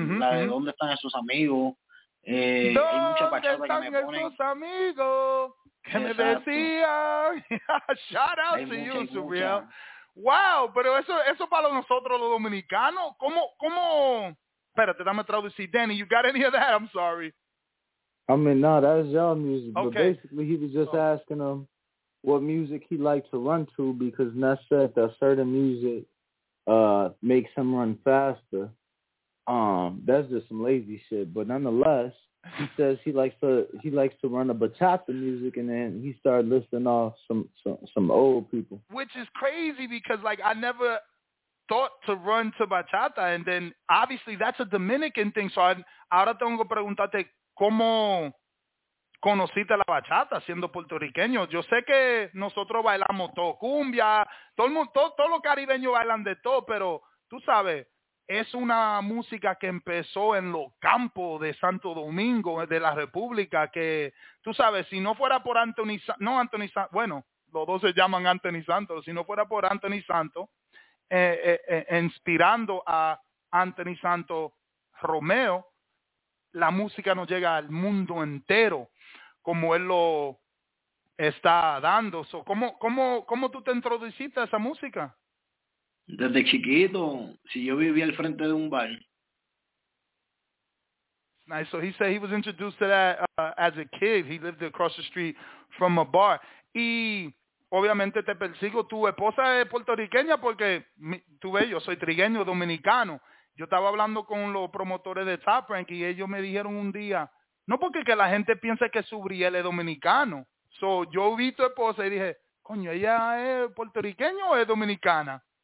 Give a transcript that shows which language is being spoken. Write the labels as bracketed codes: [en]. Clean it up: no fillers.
[es] uh-huh, la de ¿Dónde están esos amigos? Hay mucha bachata que me ponen. ¿Dónde están esos amigos? Que me decían, [en] shout out to you, [es] Surreal. Wow, pero eso para nosotros los dominicanos, ¿cómo? Espérate, dame traducir. [en] Danny, you got any of that? I'm sorry. I mean, no, that was y'all music. Okay. But basically, he was just asking him what music he liked to run to, because Ness said that certain music makes him run faster. That's just some lazy shit, but nonetheless. He says he likes to run a bachata music, and then he started listing off some old people. Which is crazy, because like I never thought to run to bachata, and then obviously that's a Dominican thing. [es] So ahora tengo que preguntarte cómo conociste la bachata siendo puertorriqueño. Yo sé que nosotros bailamos todo cumbia, todo los caribeños bailan de todo, pero tú sabes. Es una música que empezó en los campos de Santo Domingo, de la República, que, tú sabes, si no fuera por Anthony Santos, inspirando a Anthony Santos Romeo, la música no llega al mundo entero como él lo está dando. So, ¿Cómo tú te introduciste a esa música? Desde chiquito, si yo vivía al frente de un bar. [en] Nice. So he said he was introduced to that as a kid. He lived across the street from a bar. [es] Y obviamente te persigo. Tu esposa es puertorriqueña porque tú ves, yo soy trigueño, dominicano. Yo estaba hablando con los promotores de Top Rank y ellos me dijeron un día, no porque que la gente piense que Subriel es dominicano. So yo vi tu esposa y dije, coño, ¿ella es puertorriqueña o es dominicana?